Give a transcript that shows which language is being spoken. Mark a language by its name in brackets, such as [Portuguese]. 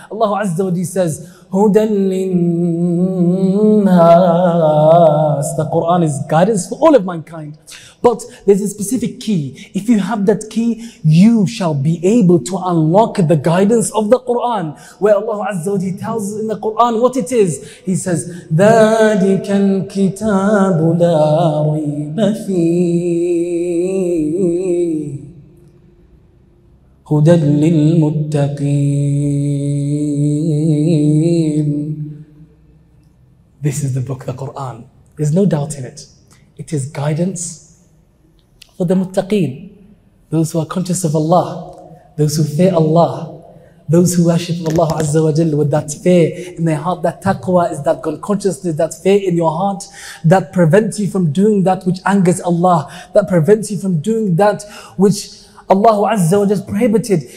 [English] Allah Azza wa Jal says, [Arabic] هدى للناس. [English] The Quran is guidance for all of mankind. But there's a specific key. If you have that key, you shall be able to unlock the guidance of the Quran, where Allah Azza wa Jalla tells in the Quran what it is. He says, [Arabic] ذلك الكتاب لا ريب فيه هدى للمتقين. [English] This is the book, the Quran. There's no doubt in it. It is guidance for the muttaqeen, those who are conscious of Allah, those who fear Allah, those who worship Allah Azza wa Jalla with that fear in their heart, that taqwa is that consciousness, that fear in your heart that prevents you from doing that which angers Allah, that prevents you from doing that which Allah Azza wa Jalla prohibited.